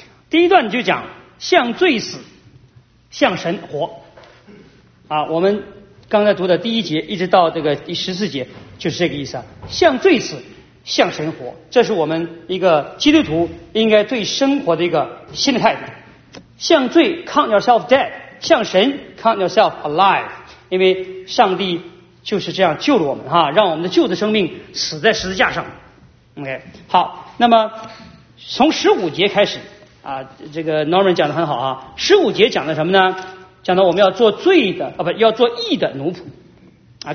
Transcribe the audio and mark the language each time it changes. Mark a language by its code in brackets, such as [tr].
[zh] 第一段就讲向罪死，向神活。啊，我们刚才读的第一节一直到这个第十四节就是这个意思啊，向罪死，向神活，这是我们一个基督徒应该对生活的一个新的态度。向罪 [en] count yourself dead， [zh] 向神 [en] count yourself alive， [zh] 因为上帝。就是这样救了我们哈，让我们的旧的生命死在十字架上。 OK， 好，那么从十五节开始啊，这个 Norman 讲的很好啊。十五节讲的什么呢？讲到我们要做罪的啊，不要做义的奴仆啊。